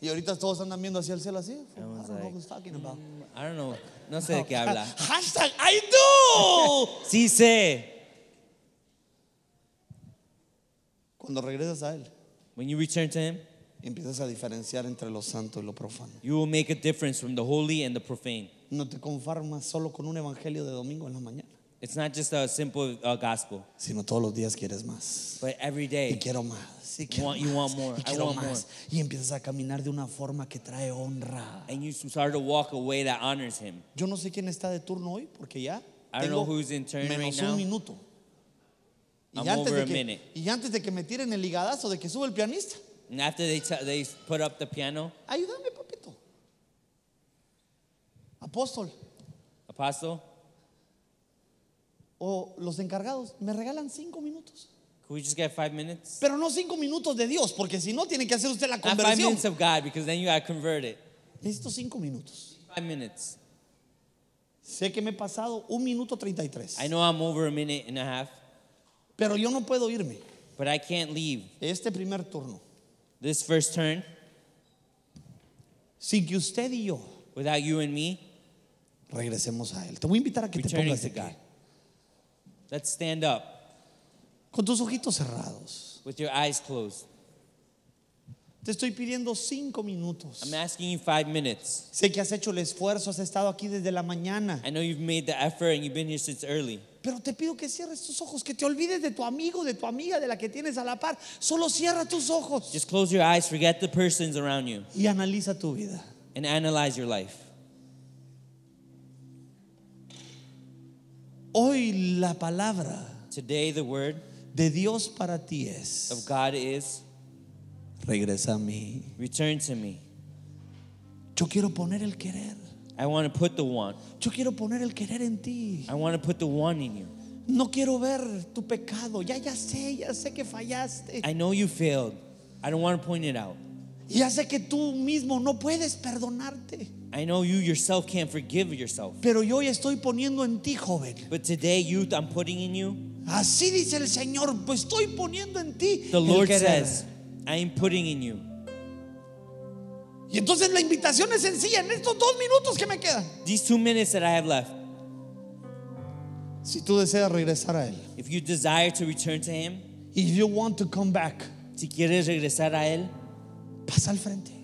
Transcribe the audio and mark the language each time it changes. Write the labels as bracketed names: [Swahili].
[Spanish] Y ahorita todos andan viendo hacia el cielo así. [English] I don't know what he's talking about. I don't know. [Spanish] No sé de qué habla. [English] Hashtag, I do. [Spanish] Sí sé. Cuando regresas a él. [English] When you return to him. [Spanish] Empiezas a diferenciar entre lo santo y lo profano. [English] You will make a difference from the holy and the profane. [Spanish] No te conformas solo con un evangelio de domingo en la mañana. [English] It's not just a simple gospel. [Spanish] Sino todos los días quieres más. [English] But every day. [Spanish] Y quiero más. Y quiero [English] want, [Spanish] más. [English] You want more. [Spanish] Y quiero [English] I want [Spanish] más. [English] More. [Spanish] Y empiezas a caminar de una forma que trae honra. [English] And you start to walk a way that honors him. [Spanish] Yo no sé quién está de turno hoy porque ya [English] I don't know who's in turn [Spanish] menos [English] right now. [Spanish] Un minuto. I'm antes over de a que, [English] minute. [Spanish] Y antes de que me tiren el ligadazo de que sube el pianista. [English] And after they put up the piano. [Spanish] Ayúdame, papito. Apóstol. [English] Apostle. [Spanish] O los encargados, me regalan [English] 5 minutes. Could we just get 5 minutes? [Spanish] Pero no [English] 5 minutes [Spanish] de Dios, porque si no tiene que hacer usted la conversión. [English] Not 5 minutes of God, because then you got to convert it. [Spanish] Necesito [English] 5 minutes. 5 minutes. [Spanish] Sé que me he pasado 1:33. [English] I know I'm over a minute and a half. [Spanish] Pero yo no puedo irme. [English] But I can't leave. [Spanish] Este primer turno. [English] This first turn, [Spanish] sin que usted y yo, [English] without you and me, [Spanish] regresemos a él. Te voy a invitar a que te pongas de pie. [English] Let's stand up. [Spanish] Con tus ojitos cerrados. [English] With your eyes closed. [Spanish] Te estoy pidiendo [English] 5 minutes. I'm asking you 5 minutes. [Spanish] Sé que has hecho el esfuerzo, has estado aquí desde la mañana. [English] I know you've made the effort and you've been here since early. [Spanish] Pero te pido que cierres tus ojos, que te olvides de tu amigo, de tu amiga, de la que tienes a la par. Solo cierra tus ojos. [English] Just close your eyes, forget the persons around you. [Spanish] Y analiza tu vida. [English] And analyze your life. [Spanish] Hoy la palabra. [English] Today the word. [Spanish] De Dios para ti es. [English] Of God is. [Spanish] Regresa a mí. [English] Return to me. [Spanish] Yo quiero poner el querer. [English] I want to put the want. [Spanish] Yo quiero poner el querer en ti. [English] I want to put the want in you. [Spanish] No quiero ver tu pecado. Ya sé que fallaste. [English] I know you failed. I don't want to point it out. [Spanish] Ya sé que tú mismo no puedes perdonarte. [English] I know you yourself can't forgive yourself. [Spanish] Pero yo hoy estoy poniendo en ti, joven. [English] But today, youth, I'm putting in you. [Spanish] Así dice el Señor, pues estoy poniendo en ti. [English] The Lord says, I am putting in you. [Spanish] Y entonces la invitación es sencilla en estos [English] 2 minutes [Spanish] que me quedan. [English] These 2 minutes that I have left. [Spanish] Si tú deseas regresar a él. [English] If you desire to return to him. If you want to come back. [Spanish] Si quieres regresar a él. Pasa al frente.